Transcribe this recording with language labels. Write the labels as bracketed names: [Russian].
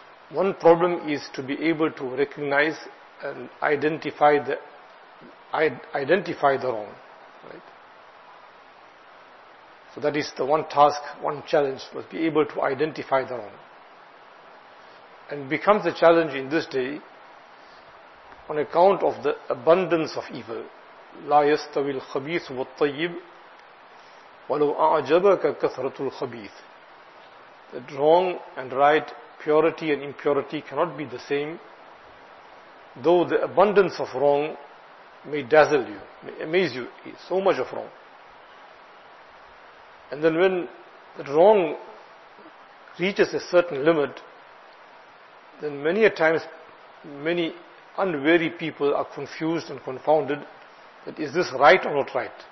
[English] One problem is to be able to recognize and identify the wrong, right? So that is the one task, one challenge, must be able to identify the wrong. And becomes a challenge in this day on account of the abundance of evil. [Arabic] لا يستوي الخبيث والطيب ولو أعجبك كثرة الخبيث. [English] That wrong and right, purity and impurity cannot be the same, though the abundance of wrong may dazzle you, may amaze you, so much of wrong. And then when the wrong reaches a certain limit, then many a times many unwary people are confused and confounded, that is this right or not right?